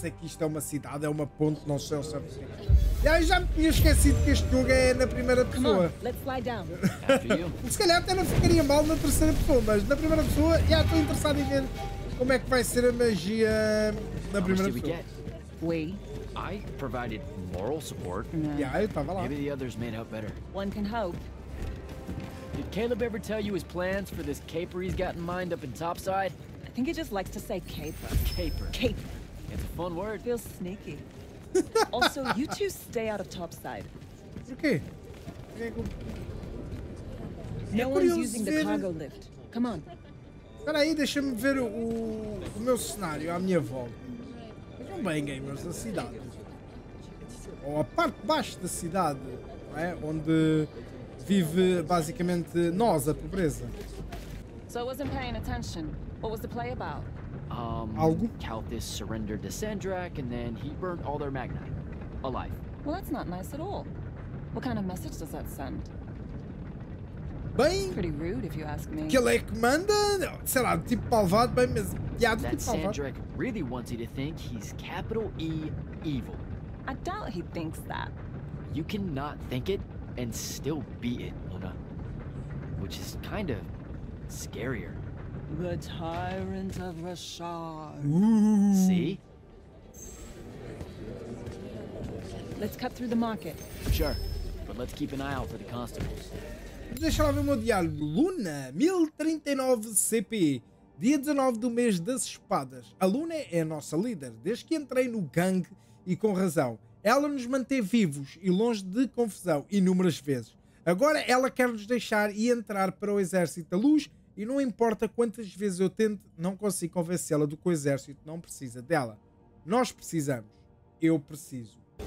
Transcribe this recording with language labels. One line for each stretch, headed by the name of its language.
Portuguese: Se é que isto é uma cidade, é uma ponte, não sei o que é. E aí já me tinha esquecido que este jogo é na primeira pessoa. Se calhar até não ficaria mal na terceira pessoa, mas na primeira pessoa, já estou interessado em ver como é que vai ser a magia na primeira pessoa.
English: I provided moral support.
Portuguese: Yeah, eu estava lá.
English: Maybe the others made out better. One can hope. Did Caleb ever tell you his plans for this caper he's got in mind up in Topside? I think he just likes to say caper. Caper. Caper. It's a fun word. Feels sneaky. Also, you two stay out of Topside. Okay. No one's using the cargo lift. Come on.
Portuguese: Espera aí, deixa-me ver o meu cenário à minha volta. Vejam bem, gamers, a cidade. Ou a parte de baixo da cidade, não é? Onde vive basicamente nós, a pobreza.
English: So I wasn't paying attention. What was the play about?
Portuguese: Algo?
English: Calthus surrendered to Sandrak and then he burnt all their magnite. Alive. Well, that's not nice at all. What kind of message does that send?
Portuguese: Bem,
English: pretty rude, if you ask me.
Portuguese: Que ele é que manda? Sei lá, tipo palvado, bem, mas piado tipo palvado.
English: Sandrick really wants you to think he's capital E evil. I doubt he thinks that. You cannot think it and still be it, Luna. Which is kind of scarier. The tyrant of Rashad. See? Let's cut through the market. Sure, but let's keep an eye out for the constables.
Portuguese: Deixa lá ver o meu diálogo. Luna, 1039 CP, dia 19 do mês das espadas. A Luna é a nossa líder, desde que entrei no gangue e com razão. Ela nos mantém vivos e longe de confusão, inúmeras vezes. Agora ela quer nos deixar e entrar para o Exército da Luz e não importa quantas vezes eu tente, não consigo convencê-la do que o Exército não precisa dela. Nós precisamos. Eu preciso.